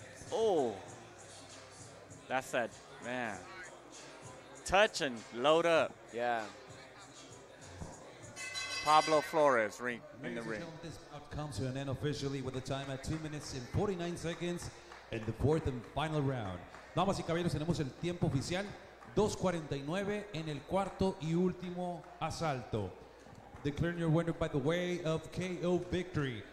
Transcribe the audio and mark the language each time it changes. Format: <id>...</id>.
<en>Oh. That's that, man. Touch and load up. Yeah. Pablo Flores ring in the ring. This comes to an end officially with the time at 2 minutes and 49 seconds. In the fourth and final round.</en> <es>Damas y caballeros, tenemos el tiempo oficial, 2:49 en el cuarto y último asalto.</es> <en>Declaring your winner by the way of KO victory.</en>